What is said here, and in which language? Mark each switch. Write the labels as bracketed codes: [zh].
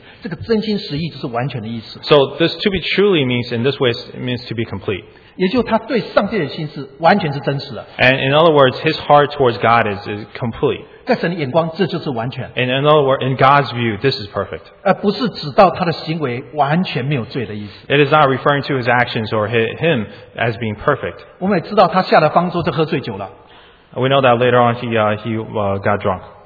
[en] So this to be truly means in this way means to be complete. [zh] 也就他对上帝的心是完全是真实的. [en] And in other words, his heart towards God is complete. [zh] 在神的眼光, [en] and in other words, in God's view, this is perfect. It is not referring to his actions or him as being perfect. We know that later on he got drunk.